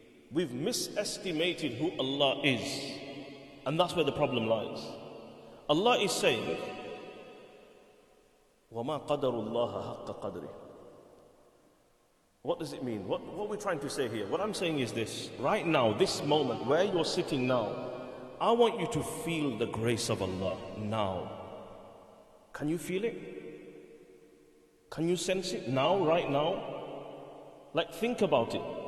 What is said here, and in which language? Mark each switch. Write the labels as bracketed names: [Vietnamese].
[English] We've misestimated who Allah is. And that's where the problem lies. Allah is saying, [Arabic] وَمَا قَدَرُ اللَّهَ حَقَّ قَدْرِ. [English] What does it mean? What are we trying to say here? What I'm saying is this. Right now, this moment, where you're sitting now, I want you to feel the grace of Allah now. Can you feel it? Can you sense it now, right now? Like, think about it.